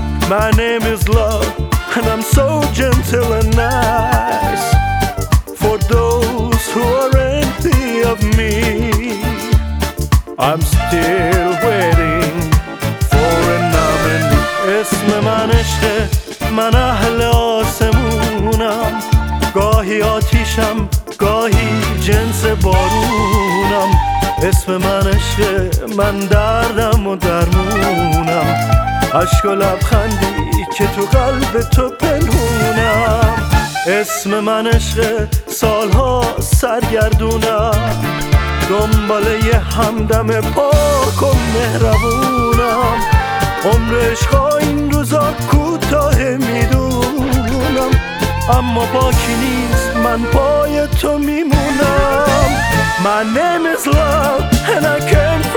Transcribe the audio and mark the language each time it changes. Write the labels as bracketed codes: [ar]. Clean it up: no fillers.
[en] My name is love, and I'm so gentle and nice. For those who are empty of me, I'm still waiting for a nominee. [fa] اسم من عشقه، من اهل آسمونم. گاهی آتیشم، گاهی جنس بارونم. اسم من عشقه، من دردم و درمونم. عشق و لبخندی که تو قلب تو پنهونم. اسم من عشق سالها سرگردونم. دنباله یه همدم پاک و مهربونم. عمر عشقا این روزا کوتاه میدونم. اما باکی نیست، من پای تو میمونم. [en] My name is love and I care.